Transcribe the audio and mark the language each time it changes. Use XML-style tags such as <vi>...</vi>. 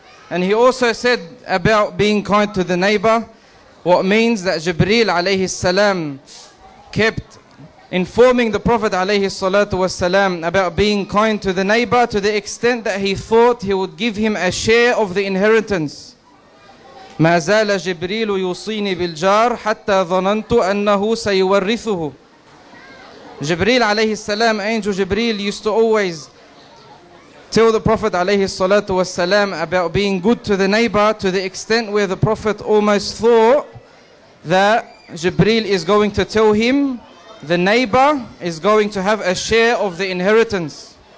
<en>And he also said about being kind to the neighbor, what means that Jibreel</en> <ar>عليه السلام</ar> <en>kept informing the Prophet alayhi salatu wasalam about being kind to the neighbor to the extent that he thought he would give him a share of the inheritance.</en> <ar>ما زال جبريل يوصيني بالجار حتى ظننت أنه سيورثه.</ar> <en>Jibreel alayhi salam, angel Jibreel, used to always tell the Prophet alayhi salatu wasalam about being good to the neighbor to the extent where the Prophet almost thought that Jibreel is going to tell him the neighbor is going to have a share of the inheritance.</en>